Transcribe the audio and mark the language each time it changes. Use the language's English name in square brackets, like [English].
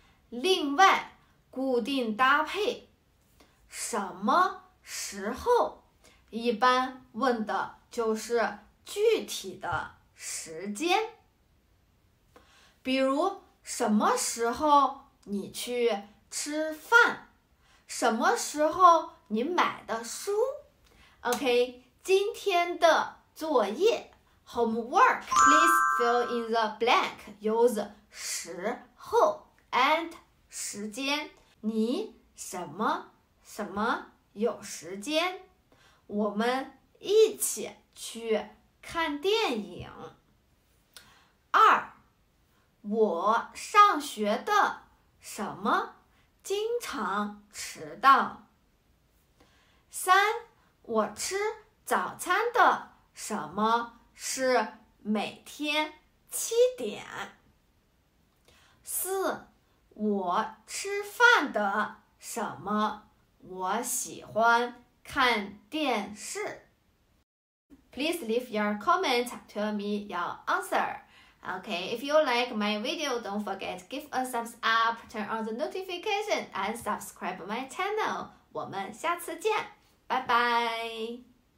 [Chinese] 另外，固定搭配，什么时候，一般问的就是具体的时间，比如什么时候你去吃饭，什么时候你买的书。 [English] OK, [Chinese] 今天的作业 [English] homework, please fill in the blank, use 时候 and 时间。 [Chinese] 你什么什么有时间，我们一起去看电影。二，我上学的什么经常迟到。三，我吃早餐的什么是每天7点。四，我吃饭的什么我喜欢看电视。 [English] Please leave your comments. Tell me your answer. Okay, if you like my video, don't forget give a thumbs up, turn on the notification, and subscribe my channel. [Chinese] 我们下次见，拜拜。